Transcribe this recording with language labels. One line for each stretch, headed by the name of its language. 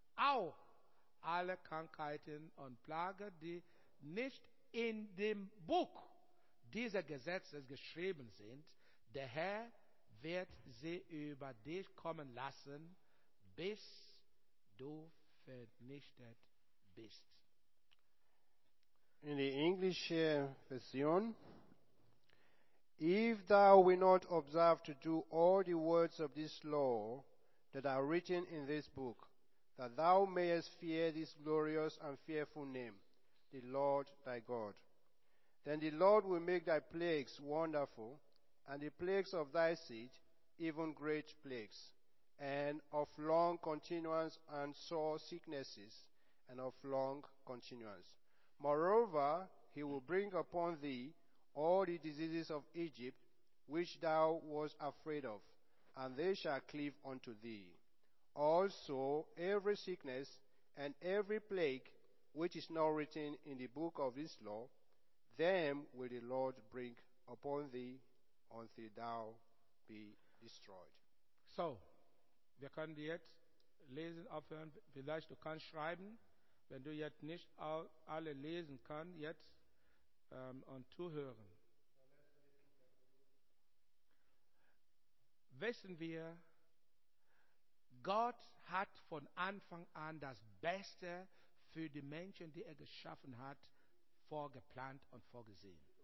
German: Auch alle Krankheiten und Plagen, die nicht in dem Buch dieser Gesetze geschrieben sind, der Herr wird sie über dich kommen lassen, bis du vernichtet bist.
English: In the English version, if thou will not observe to do all the words of this law that are written in this book, that thou mayest fear this glorious and fearful name, the Lord thy God, then the Lord will make thy plagues wonderful, and the plagues of thy seed even great plagues, and of long continuance, and sore sicknesses, and of long continuance. Moreover, he will bring upon thee all the diseases of Egypt, which thou wast afraid of, and they shall cleave unto thee. Also, every sickness and every plague which is not written in the book of this law, them will the Lord bring upon thee until thou be destroyed.
German: So, wir können jetzt lesen aufhören. Vielleicht du kannst schreiben, wenn du jetzt nicht alle lesen kannst, jetzt und zuhören. Wissen wir, Gott hat von Anfang an das Beste für die Menschen, die er geschaffen hat, vorgeplant und vorgesehen.